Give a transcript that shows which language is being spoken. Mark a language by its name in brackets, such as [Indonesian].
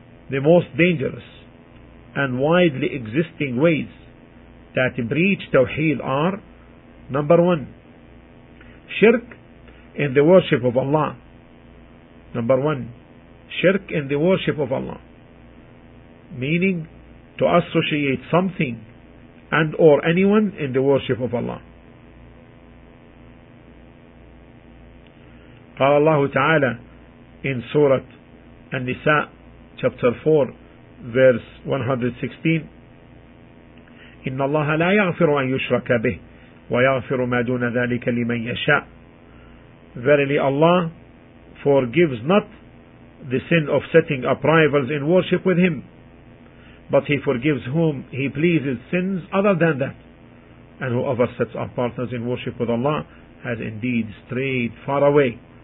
[English] The most dangerous and widely existing ways that breach tawheed are: number one, shirk in the worship of Allah. Number one, shirk in the worship of Allah, meaning to associate something and or anyone in the worship of Allah. [Arabic] قال الله تعالى [English] in Surah An-Nisa, chapter 4, verse 116, [Arabic] إِنَّ اللَّهَ لَا يَغْفِرُ أَن يُشْرَكَ بِهِ وَيَغْفِرُ مَا دُونَ ذَلِكَ لِمَن يَشَاءُ. [English] Verily Allah forgives not the sin of setting up rivals in worship with Him, but He forgives whom He pleases sins other than that. And whoever sets up partners in worship with Allah has indeed strayed far away.